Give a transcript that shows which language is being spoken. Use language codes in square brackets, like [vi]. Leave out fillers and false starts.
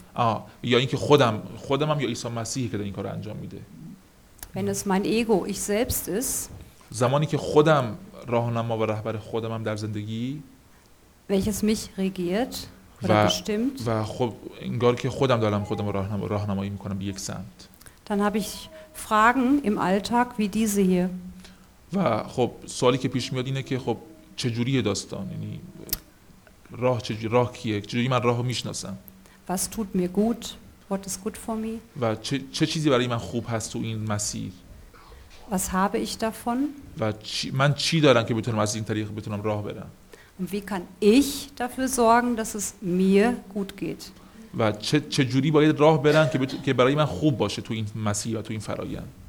[fa] آه، یا اینکه خودم هم یا عیسی مسیحی که داره این کار انجام میده. [de] Wenn es mein Ego, ich selbst ist. [fa] زمانی که خودم راهنما و رهبر خودم هم در زندگی. [de] Welches mich regiert oder bestimmt. [fa] و خب انگار که خودم دارم خودم راهنمایی میکنم به یک سمت. [de] Dann habe ich Fragen im Alltag wie diese hier. [fa] و خب سوالی که پیش میاد اینه که خب چجوریه داستان؟ یعنی راه چجوری؟ راه کیه؟ چجوری من راهو میشناسم؟ [de] Was tut mir gut? [en] What is good for me? [fa] و چه چیزی برای من خوب هست تو این مسیر؟ [de] Was habe ich davon? [fa] و من چی دارم که بتونم از این طریق بتونم راه برم؟ [de] Und wie kann ich dafür sorgen, dass es mir gut geht? [fa] و چجوری باید راه برم که برای من خوب باشه تو این مسیر و تو این فرایند؟